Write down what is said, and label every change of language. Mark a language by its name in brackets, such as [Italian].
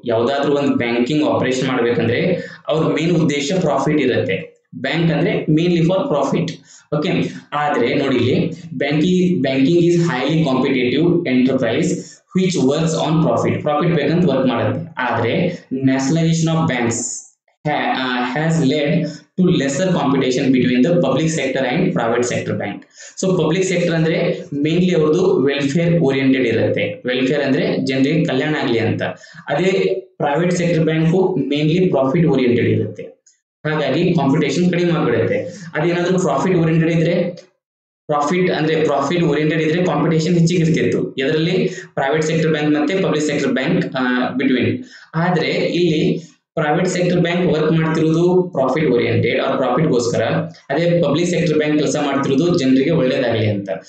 [Kannada] ಯಾವ್ದಾದ್ರೂ ಒಂದು banking operation ಮಾಡ್ಬೇಕಂದ್ರೆ ಅವ್ರ ಮೇನ್ ಉದ್ದೇಶ ಪ್ರಾಫಿಟ್ ಇರುತ್ತೆ, ಬ್ಯಾಂಕ್ ಅಂದ್ರೆ ಮೇನ್ಲಿ ಫಾರ್ ಪ್ರಾಫಿಟ್. [English] okay, [Kannada] ಆದ್ರೆ ನೋಡಿ ಇಲ್ಲಿ [English] Banking is highly competitive enterprise which works on profit. [Kannada] Profit ಬೇಕಂತ ವರ್ಕ್ ಮಾಡುತ್ತೆ. ಆದ್ರೆ [English] Nationalisation of banks has led to lesser competition between the public sector and private sector bank. [Kannada] So public sector andre mainly avrudu welfare oriented irutte, welfare andre generally kalyana agli anta. Ade private sector bank mainly profit oriented irutte, hagagi competition kadima agutte. Ade enadru profit oriented idre, profit ಅಂದ್ರೆ profit oriented ಇದ್ರೆ competition ಹೆಚ್ಚಿಗೆ ಇರ್ತಿತ್ತು ಇದರಲ್ಲಿ private sector bank ಮತ್ತೆ public sector bank between. ಆದ್ರೆ ಇಲ್ಲಿ private sector bank work ಮಾಡ್ತಿರೋದು profit oriented ಅವ್ರ ಪ್ರಾಫಿಟ್ ಗೋಸ್ಕರ, ಅದೇ ಪಬ್ಲಿಕ್ ಸೆಕ್ಟರ್ ಬ್ಯಾಂಕ್ ಕೆಲಸ ಮಾಡ್ತಿರೋದು ಜನರಿಗೆ ಒಳ್ಳೇದಾಗಲಿ ಅಂತ.